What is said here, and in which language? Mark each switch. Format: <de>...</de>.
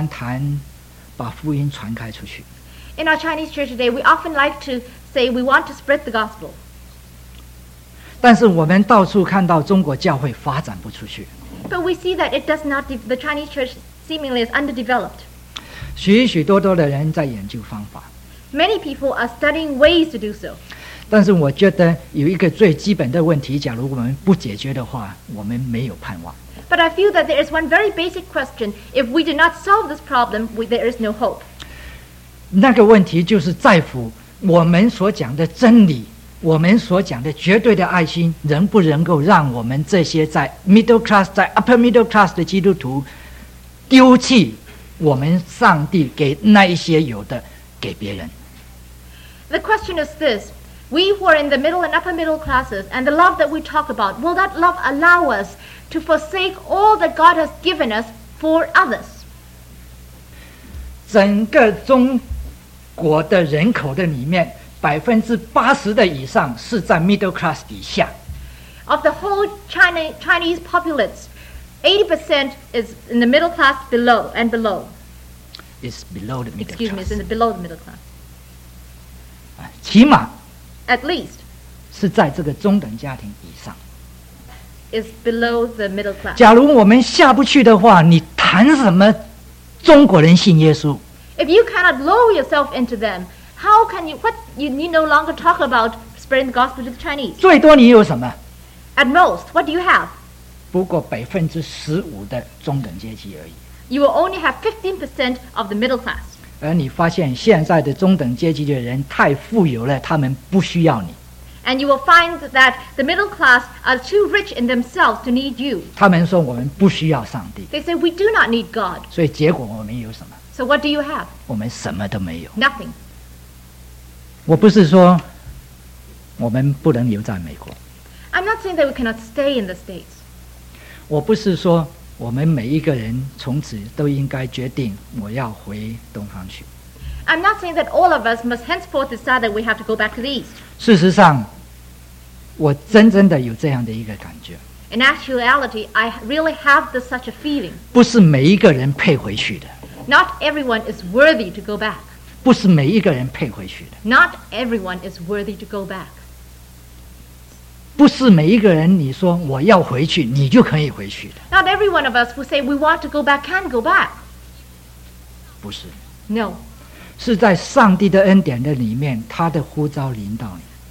<zh>今天我们中国教会很喜欢谈把福音传开出去。</zh> <en>In our Chinese church today, we often like to say we want to spread the gospel.</en> <zh>但是我们到处看到中国教会发展不出去。</zh> <en>But we see that it does not, the Chinese church seemingly is underdeveloped.</en> <zh>许许多多的人在研究方法。</zh> <en>Many people are studying ways to do so.</en> <zh>但是我觉得有一个最基本的问题, 假如我们不解决的话, 我们没有盼望。</zh> <en>But I feel that there is one very basic question. If we do not solve this problem, there is no hope.</en> <zh>那个问题就是在乎, 我们所讲的真理, 我们所讲的绝对的爱心, 能不能够让我们这些在</zh> <en>middle class,</en> <zh>在</zh> <en>upper middle class</en> <zh>的基督徒, 丢弃我们上帝给那一些有的给别人。</zh> <en>The question is this, we who are in the middle and upper middle classes, and the love that we talk about, will that love allow us to forsake all that God has given us for others?</en> <zh>整个中国的人口的里面, 80%的以上是在</zh> <en>middle class</en> <zh>底下。</zh> <en>Of the whole Chinese populace, 80% is in the middle class below and below. It's below the middle class. Excuse me, it's below the middle class.</en> <zh>起码</zh> <en>At least</en> <zh>是在这个中等家庭以上</zh> <en>Is below the middle class</en> <zh>假如我们下不去的话 你谈什么中国人信耶稣</zh> <en>If you cannot lower yourself into them How can you What you need no longer talk about Spreading the gospel to the Chinese</en> <zh>最多你有什么</zh> <en>At most What do you have</en> <zh>不过15%的中等阶级而已</zh> <en>You will only have 15% of the middle class</en> <zh>而你发现现在的中等阶级的人太富有了，他们不需要你。</zh> <en>And you will find that the middle class are too rich in themselves to need you.</en> <zh>他们说我们不需要上帝。</zh> <en>They say we do not need God.</en> <zh>所以结果我们有什么？</zh> <en>So what do you have?</en> <zh>我们什么都没有。</zh> <en>Nothing.</en> <zh>我不是说我们不能留在美国。</zh> <en>I'm not saying that we cannot stay in the States.</en> <zh>我不是说我们每一个人从此都应该决定我要回东方去。</zh> <en>I'm not saying that all of us must henceforth decide that we have to go back to the East.</en> <zh>事实上，我真正的有这样的一个感觉。</zh> <en>In actuality, I really have this such a feeling.</en> <zh>不是每一个人配回去的。</zh> <en>Not everyone is worthy to go back.</en> <zh>不是每一个人配回去的。</zh> <en>Not everyone is worthy to go back.</en> <zh>不是每一个人你说我要回去，你就可以回去的。</zh> <en>Not every one of us who say we want to go back can go back.</en> <zh>不是。</zh> <en>No.</en> <zh>是在上帝的恩典的里面，他的呼召临到你。</zh>